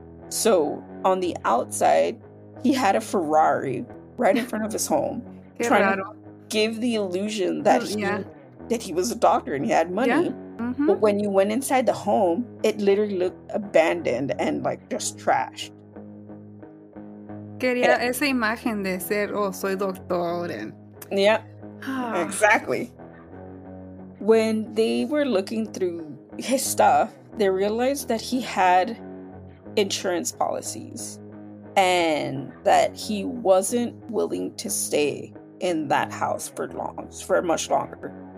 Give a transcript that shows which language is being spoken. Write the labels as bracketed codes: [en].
[en] So, on the outside, he had a Ferrari right in front of his home. Give the illusion that he was a doctor and he had money. Yeah. Mm-hmm. But when you went inside the home, it literally looked abandoned and, like, just trashed. [es] Quería esa imagen de ser, oh, soy doctor. [en] Yeah, exactly. When they were looking through his stuff, they realized that he had insurance policies and that he wasn't willing to stay in that house for much longer.